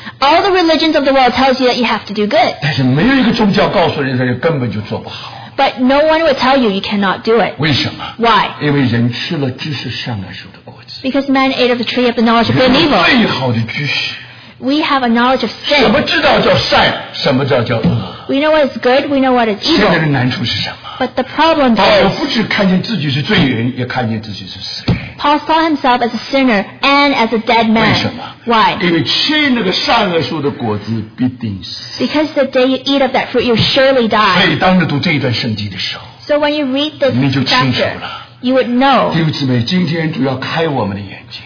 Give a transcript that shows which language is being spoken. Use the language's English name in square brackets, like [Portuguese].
[English] All the religions of the world tells you that you have to do good. [Chinese] 但是没有一个宗教告诉人家根本就做不好。 [English] But no one will tell you you cannot do it. [Chinese] 为什么? [English] Why? [Chinese] 因为人吃了知识善恶树的果子。 [English] Because man ate of the tree of the knowledge of good and evil. [Chinese] 最好的知识。 [English] We have a knowledge of sin. [Chinese] 什么知道叫善, 什么知道叫恶。 [English] We know what is good, we know what is evil. [Chinese] 现在的难处是什么? [English] But the problem is, [Chinese] Paul 不只看见自己是罪人, 也看见自己是死人。 [English] Paul saw himself as a sinner and as a dead man. [Chinese] 为什么? [English] Why? [Chinese] 因为吃那个善恶树的果子必定死。 [English] Because the day you eat of that fruit, you surely die. [Chinese] 所以当你读这一段圣经的时候, [English] So when you read this chapter, [Chinese] 你就清楚了。 [English] You would know. [Chinese] 弟兄姊妹, 今天主要开我们的眼睛。